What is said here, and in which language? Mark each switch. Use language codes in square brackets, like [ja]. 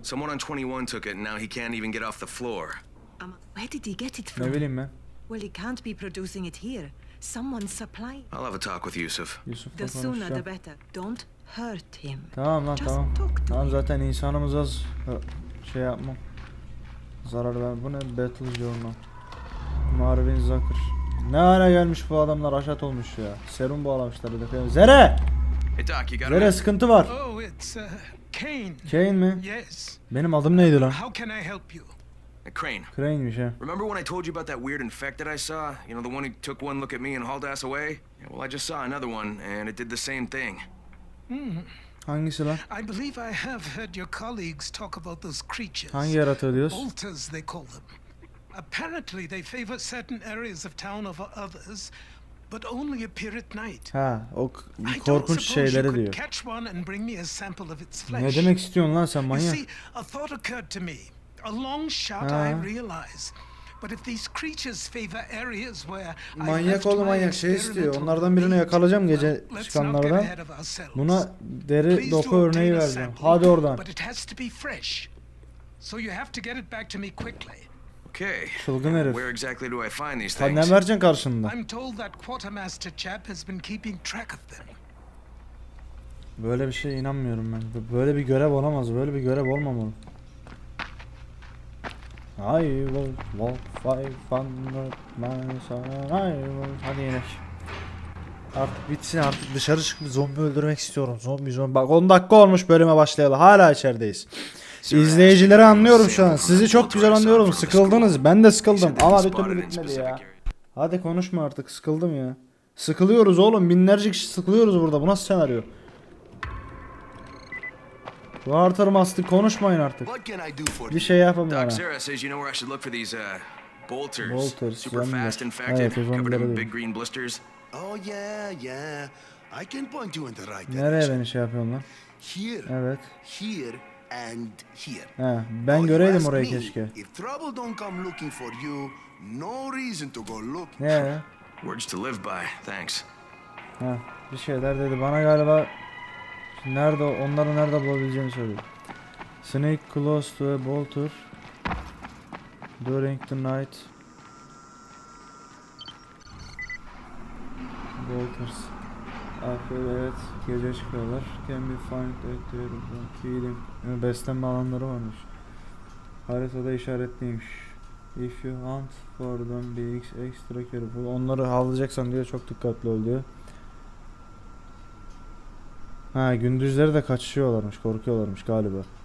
[en] Someone on 21 took it and now he can't even get off the floor. Where did he get it from? [tr] Ne bileyim ben. [en] Well, he can't be producing it here. Someone supply. I'll have a talk with Yusuf. Yusuf, the sooner the better. Don't hurt him. [tr] Tamam lan, tamam. Tamam, zaten insanımız az. Şey yapmam. Zarar ver. Bu ne? Battle Journal. Marvin Zucker. Ne hale gelmiş bu adamlar, aşat olmuş ya. Serum bağlamışlar. Zere! Zere, sıkıntı var. [en] Oh, it's Kane. [tr] Kane mi? [en] Yes. [tr] Benim adım neydi lan? [en] How can I help you? Crane. [tr] Crane'miş ha. [en] Remember when I told you about that weird infected I saw? You know, the one who took one look at me and hauled ass away? Yeah, well, I just saw another one and it did the same thing. [tr] Hangisi lan? [en] I believe I have heard your colleagues talk about those creatures. [tr] Hangi yaratığı diyorsun? [en] Bolters, they call them. Apparently they favor certain areas of town over others. But only appear at night. [tr] Ha, o korkunç şeyleri diyor. [en] Catch one and bring me a sample of its flesh. [tr] Ne demek istiyorsun lan sen, manyak? [en] See, a thought occurred to me. A long shot, I realize. But if these creatures favor areas where [tr] manyak oğlum manyak şey istiyor. Onlardan birini yakalayacağım gece çıkanlardan. Buna deri doku örneği verdim. Hadi oradan. [en] But it has to be fresh. So you have to get it back to me quickly. Okay. [tr] Çılgın herif. [en] Where exactly do I find these [tr] things? Ne vereceksin karşında? [en] I'm told that quartermaster chap has been keeping track of them. [tr] Böyle bir şeye inanmıyorum ben. Böyle bir görev olamaz. Böyle bir görev olmamalı. [en] I will walk 500 miles and I will... [tr] Hadi yine. Artık bitsin artık. Dışarı çık. Zombi öldürmek istiyorum. Zombi. Bak 10 dakika olmuş bölüme başlayalı. Hala içerideyiz. İzleyicileri anlıyorum şu an. Sizi çok güzel anlıyorum. Sıkıldınız. Ben de sıkıldım. Ama bir türlü bitmedi ya. Hadi konuşma artık. Sıkıldım ya. Sıkılıyoruz oğlum. Binlerce kişi sıkılıyoruz burada. Bu nasıl senaryo? Quarter Master konuşmayın artık. Bir şey yapamıyorum. [en] Doc Sarah says you know where I should look for these bolters. Bolters. Super zombie. Fast and effective. [tr] Evet, [en] covered in big green blisters. Oh yeah, yeah. I can point you in the right direction. [tr] Nereye beni şey yapıyorlar? [en] Here. [tr] Evet. [en] Here and here. [tr] Ha, ben göreydim orayı keşke. [en] If trouble don't come looking for you, no reason to go look. Yeah. Words to live by. Thanks. [tr] Ha, bir şeyler dedi bana galiba. Nerede onları nerede bulabileceğimi söylüyor. [en] Snake close to a bolter during the night. [tr] Bolters. Evet, gece çıkıyorlar. [en] Can be found at the feeding. [tr] Beslenme alanları varmış. Haritada işaretliymiş. [en] If you hunt for them be extra careful. [tr] Onları havlayacaksan diye çok dikkatli ol diyor. Ha, gündüzleri de kaçışıyorlarmış, korkuyorlarmış galiba.